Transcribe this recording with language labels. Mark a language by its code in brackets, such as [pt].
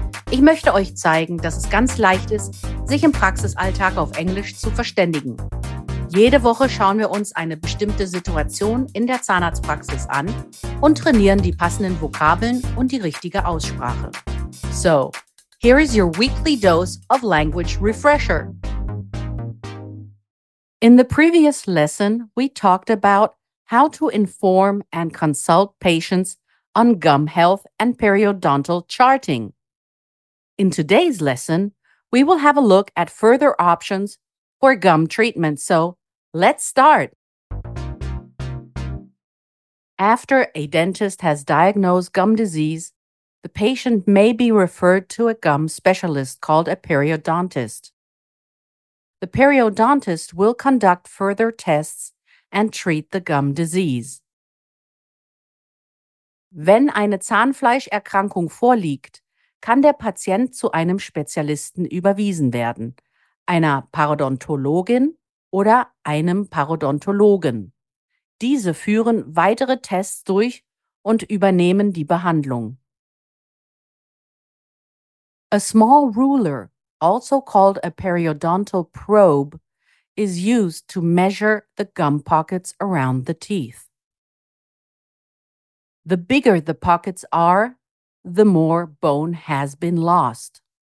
[de] Ich möchte euch zeigen, dass es ganz leicht ist, sich im Praxisalltag auf Englisch zu verständigen. Jede Woche schauen wir uns eine bestimmte Situation in der Zahnarztpraxis an und trainieren die passenden Vokabeln und die richtige Aussprache. [en] So, here is your weekly dose of language refresher. In the previous lesson, we talked about how to inform and consult patients on gum health and periodontal charting. In today's lesson, we will have a look at further options for gum treatment. So, let's start. After a dentist has diagnosed gum disease, the patient may be referred to a gum specialist called a periodontist. The periodontist will conduct further tests and treat the gum disease. [de] Wenn eine Zahnfleischerkrankung vorliegt, kann der Patient zu einem Spezialisten überwiesen werden, einer Parodontologin oder einem Parodontologen. Diese führen weitere Tests durch und übernehmen die Behandlung. [en] A small ruler, also called a periodontal probe, is used to measure the gum pockets around the teeth. The bigger the pockets are, the more bone has been lost.